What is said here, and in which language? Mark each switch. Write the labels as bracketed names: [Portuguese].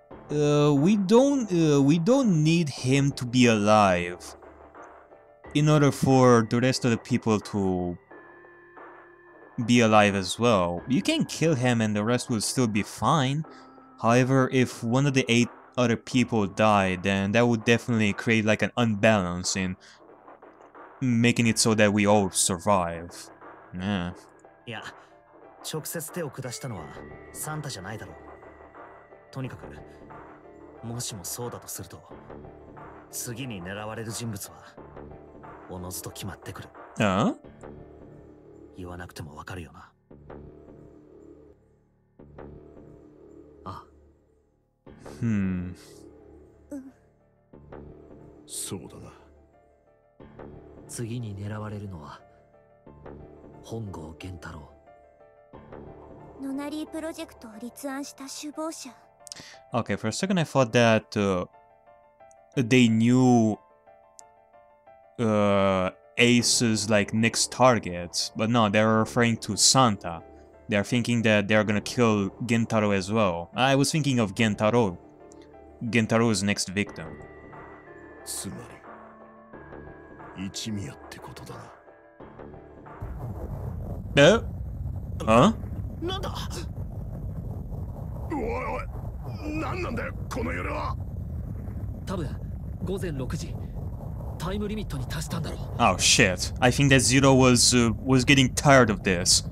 [English] We don't need him to be alive in order for the rest of the people to be alive as well. You can kill him and the rest will still be fine. However, if one of the eight other people die, then that would definitely create like an unbalance in making it so that we all survive. Yeah. [Japanese] 直接手を下したのはサンタじゃないだろう。とにかく、もしもそうだとすると、次に狙われる人物は、おのずと決まってくる。言わなくてもわかるよな。そうだな。次に狙われるのは、本郷源太郎。 Nonary Project を立案した首謀者。 [English] Okay, for a second I thought that they knew Ace's like next targets, but no, they're referring to Santa. They're thinking that they're gonna kill Gintaro as well. I was thinking of Gintaro. Gintaro's next victim. [Japanese] つまり、一宮ってことだな。なんだ？おいおい、なんなんだよこの夜は。多分午前6時、タイムリミットに達したんだろう。 [English] Oh shit! I think that Zero was getting tired of this.